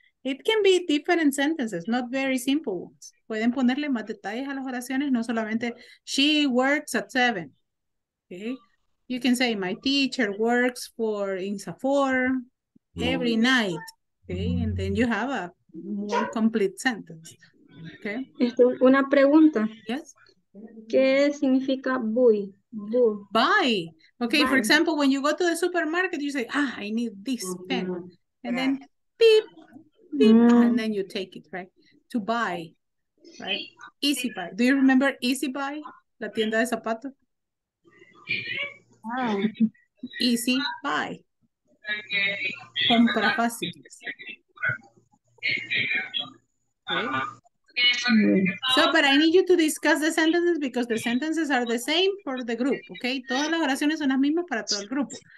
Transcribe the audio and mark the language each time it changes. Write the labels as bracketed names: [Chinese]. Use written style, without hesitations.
[English] It can be different sentences, not very simple ones. [Spanish] Pueden ponerle más detalles a las oraciones, no solamente [English] she works at 7. Okay? You can say my teacher works for INSA 4 every night. Okay? And then you have a more complete sentence. Okay. [Spanish] Una pregunta. [English] Yes. [Spanish] ¿Qué significa buy? [English] Buy. Okay, buy. For example, when you go to the supermarket, you say, ah, I need this pen. And then beep, beep, and then you take it, right? To buy, right? Easy buy. Do you remember easy buy? [Spanish] La tienda de zapatos? Easy buy. Compra fácil. [English] Okay. So, but I need you to discuss the sentences because the sentences are the same for the group, okay? [Spanish] Todas las oraciones son las mismas para todo el grupo.